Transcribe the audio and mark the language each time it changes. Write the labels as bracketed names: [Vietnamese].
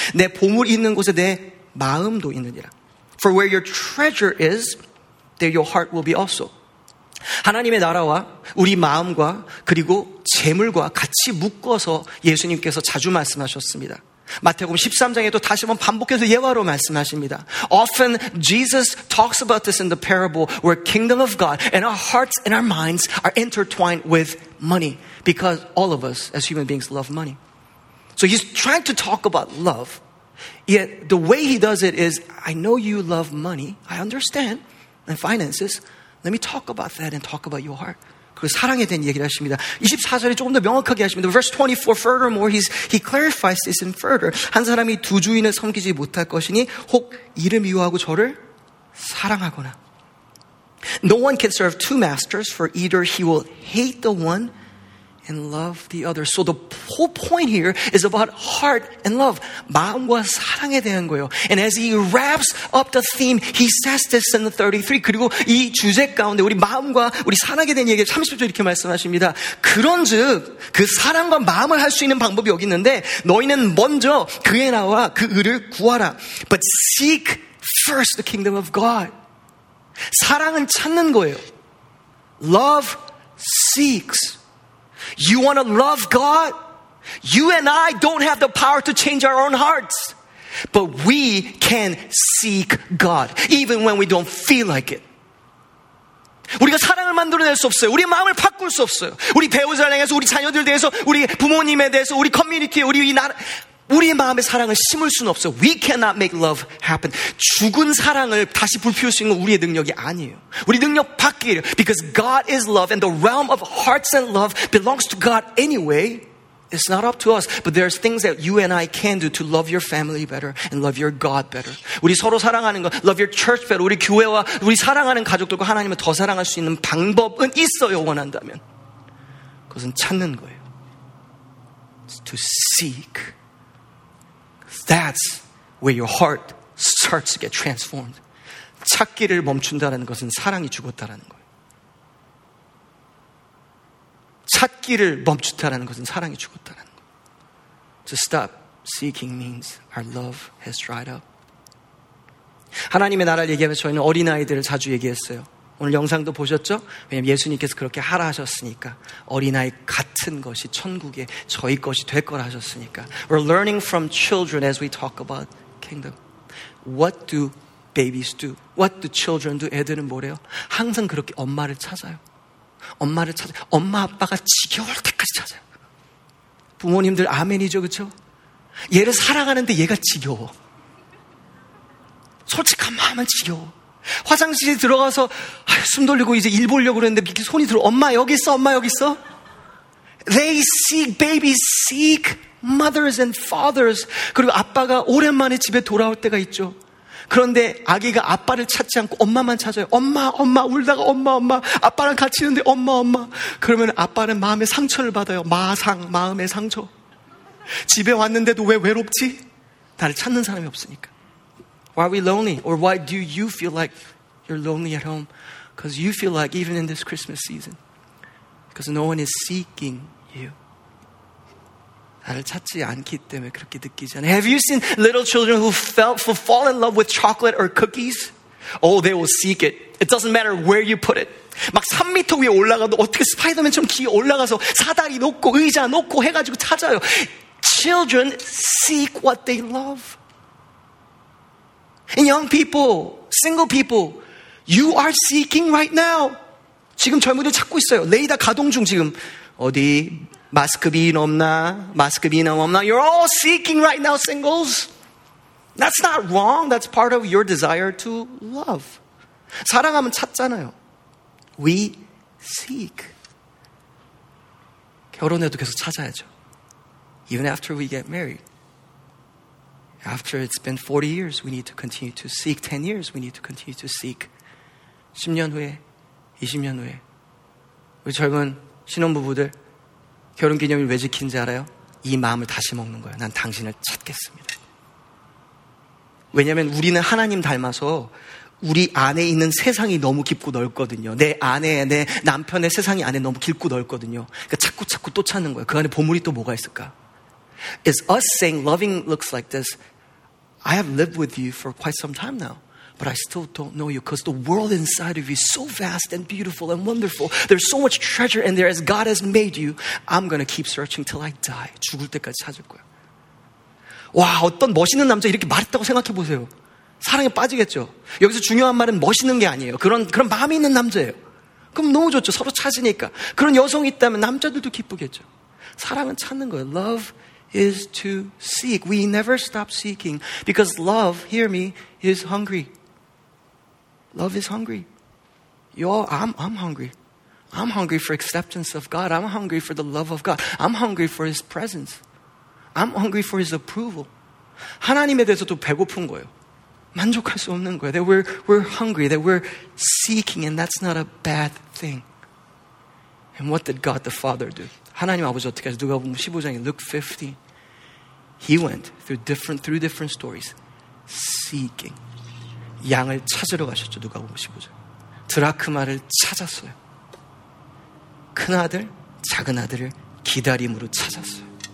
[Korean] 내 보물 있는 곳에 내 마음도 있느니라. [English] For where your treasure is, there your heart will be also. [Korean] 하나님의 나라와 우리 마음과 그리고 재물과 같이 묶어서 예수님께서 자주 말씀하셨습니다. 마태복음 13장에도 다시 한번 반복해서 예화로 말씀하십니다. [English] Often Jesus talks about this in the parable where kingdom of God and our hearts and our minds are intertwined with money because all of us as human beings love money. So he's trying to talk about love. Yet the way he does it is, I know you love money, I understand, and finances. Let me talk about that and talk about your heart. [Korean] 그 사랑에 대한 얘기를 하십니다. 24절에 조금 더 명확하게 하십니다. [English] Verse 24, furthermore, he clarifies this in further. [Korean] 한 사람이 두 주인을 섬기지 못할 것이니 혹 이를 미워하고 저를 사랑하거나. [English] No one can serve two masters, for either he will hate the one and love the other. So the whole point here is about heart and love. [Korean] 마음과 사랑에 대한 거예요. [English] And as he wraps up the theme, he says this in the 33. [Korean] 그리고 이 주제 가운데 우리 마음과 우리 사랑에 대한 얘기를 30절 이렇게 말씀하십니다. 그런 즉, 그 사랑과 마음을 할 수 있는 방법이 여기 있는데 너희는 먼저 그의 나라와 그 의를 구하라. [English] But seek first the kingdom of God. [Korean] 사랑은 찾는 거예요. [English] Love seeks. You want to love God? You and I don't have the power to change our own hearts. But we can seek God, even when we don't feel like it. [Korean] 우리가 사랑을 만들어낼 수 없어요. 우리 마음을 바꿀 수 없어요. 우리 배우자를 향해서, 우리 자녀들 대해서, 우리 부모님에 대해서, 우리 커뮤니티에, 우리 이 나라, 우리의 마음에 사랑을 심을 수는 없어요. [English] We cannot make love happen. [Korean] 죽은 사랑을 다시 불피울 수 있는 우리의 능력이 아니에요. 우리 능력 밖이에요. [English] Because God is love and the realm of hearts and love belongs to God anyway. It's not up to us. But there's things that you and I can do to love your family better and love your God better. [Korean] 우리 서로 사랑하는 거, [English] love your church better. [Korean] 우리 교회와 우리 사랑하는 가족들과 하나님을 더 사랑할 수 있는 방법은 있어요, 원한다면. 그것은 찾는 거예요. [English] It's to seek. That's where your heart starts to get transformed. [Korean] 찾기를 멈춘다는 것은 사랑이 죽었다는 거예요. 찾기를 멈춘다는 것은 사랑이 죽었다는 거예요. [English] To stop seeking means our love has dried up. [Korean] 하나님의 나라를 얘기하면 저희는 어린아이들을 자주 얘기했어요. 오늘 영상도 보셨죠? 왜냐하면 예수님께서 그렇게 하라 하셨으니까 어린아이 같은 것이 천국에 저희 것이 될 거라 하셨으니까 [English] We're learning from children as we talk about kingdom. What do babies do? What do children do? [Korean] 애들은 뭐래요? 항상 그렇게 엄마를 찾아요. 엄마를 찾아요. 엄마 아빠가 지겨울 때까지 찾아요. 부모님들 아멘이죠, 그렇죠? 얘를 사랑하는데 얘가 지겨워. 솔직한 마음은 지겨워. 화장실에 들어가서 아유, 숨 돌리고 이제 일 보려고 그랬는데 이렇게 손이 들어 엄마 여기 있어 엄마 여기 있어 [English] They seek, babies seek mothers and fathers. [Korean] 그리고 아빠가 오랜만에 집에 돌아올 때가 있죠. 그런데 아기가 아빠를 찾지 않고 엄마만 찾아요. 엄마, 엄마, 울다가 엄마, 엄마, 아빠랑 같이 있는데 엄마, 엄마. 그러면 아빠는 마음의 상처를 받아요. 마상, 마음의 상처. 집에 왔는데도 왜 외롭지? 나를 찾는 사람이 없으니까. [English] Why are we lonely? Or why do you feel like you're lonely at home? Because you feel like, even in this Christmas season, because no one is seeking you. [Korean] 나를 찾지 않기 때문에 그렇게 느끼지 않아요. [English] Have you seen little children who fall in love with chocolate or cookies? Oh, they will seek it. It doesn't matter where you put it. [Korean] 막 3m 위에 올라가도 어떻게 스파이더맨 좀 귀에 올라가서 사다리 놓고 의자 놓고 해가지고 찾아요. [English] Children seek what they love. And young people, single people, you are seeking right now. [Korean] 지금 젊은이들 찾고 있어요. 레이더 가동 중 지금. 어디? 마스크빈 없나? 마스크빈 없나? [English] You're all seeking right now, singles. That's not wrong. That's part of your desire to love. [Korean] 사랑하면 찾잖아요. [English] We seek. [Korean] 결혼해도 계속 찾아야죠. [English] Even after we get married. After it's been 40 years, we need to continue to seek. 10 years, we need to continue to seek. [Korean] 10년 후에, 20년 후에. 우리 젊은 신혼부부들, 결혼기념일 왜 지키는지 알아요? 이 마음을 다시 먹는 거예요. 난 당신을 찾겠습니다. 왜냐하면 우리는 하나님 닮아서 우리 안에 있는 세상이 너무 깊고 넓거든요. 내 안에, 내 남편의 세상이 안에 너무 깊고 넓거든요. 그러니까 찾고 찾고 또 찾는 거예요. 그 안에 보물이 또 뭐가 있을까? [English] It's us saying loving looks like this. I have lived with you for quite some time now, but I still don't know you because the world inside of you is so vast and beautiful and wonderful. There's so much treasure in there as God has made you. I'm going to keep searching till I die. [Korean] 죽을 때까지 찾을 거야. 와, 어떤 멋있는 남자 이렇게 말했다고 생각해 보세요. 사랑에 빠지겠죠. 여기서 중요한 말은 멋있는 게 아니에요. 그런 마음이 있는 남자예요. 그럼 너무 좋죠. 서로 찾으니까. 그런 여성이 있다면 남자들도 기쁘겠죠. 사랑은 찾는 거예요. [English] Love is to seek. We never stop seeking because love, hear me, is hungry. Love is hungry. Y'all, I'm hungry. I'm hungry for acceptance of God. I'm hungry for the love of God. I'm hungry for His presence. I'm hungry for His approval. [Korean] 하나님에 대해서도 배고픈 거예요. 만족할 수 없는 거예요. [English] That we're hungry, that we're seeking, and that's not a bad thing. And what did God the Father do? [Korean] 하나님 아버지 어떻게 하세요? 누가복음 15장에 Luke 15. [English] He went through different stories seeking. [Korean] 양을 찾으러 가셨죠. 누가복음 15장. 드라크마를 찾았어요. 큰 아들, 작은 아들을 기다림으로 찾았어요.